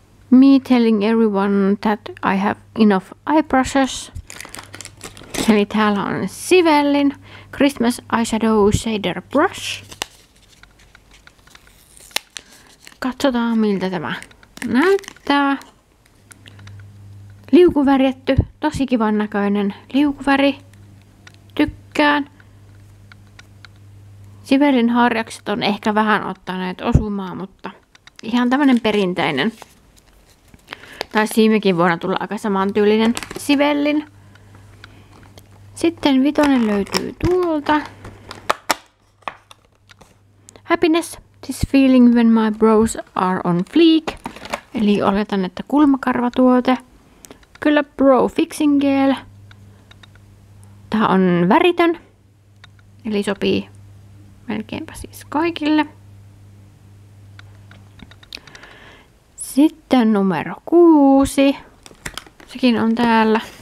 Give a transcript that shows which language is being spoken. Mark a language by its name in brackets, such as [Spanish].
[English] Me telling everyone that I have enough eyebrushes. [Finnish] Eli täällä on Sivellin Christmas Eyeshadow Shader Brush. Katsotaan miltä tämä näyttää. Liukuvärjetty, tosi kivan näköinen liukuväri. Tykkään. Sivellin harjakset on ehkä vähän ottaneet osumaa, mutta ihan tämmönen perinteinen. Taisi viimekin vuonna tulla aika samantyylinen Sivellin. Sitten vitonen löytyy tuolta. [English] Happiness, this feeling when my brows are on fleek. [Finnish] Eli oletan, että kulmakarvatuote. Kyllä Brow Fixing Gel. Tää on väritön. Eli sopii melkeinpä siis kaikille. Sitten numero 6. Sekin on täällä.